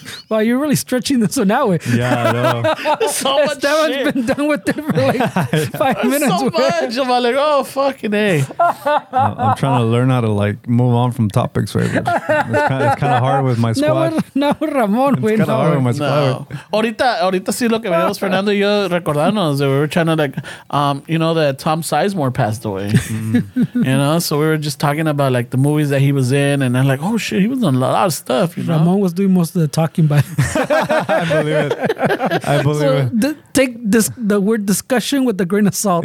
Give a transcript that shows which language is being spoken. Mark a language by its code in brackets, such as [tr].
[en] Wow, you're really stretching this one out. Yeah, I know. So much shit. Esteban's been done with it for like 5 minutes. So much. I'm like, oh, fucking A. I'm trying to learn how to like move on from topics, right? It's kind of hard with my squad. No, Ramon. It's kind of hard with my squad. [es] Ahorita sí lo que veíamos Fernando y yo recordándonos. [en] We were trying to like, you know, that Tom Sizemore passed away. Mm. You know, so we were just talking about like the movies that he was in. And I'm like, oh, shit, he was on a lot of stuff. You know? Ramon was doing most of the talking, but I believe it. Take this the word discussion with a grain of salt.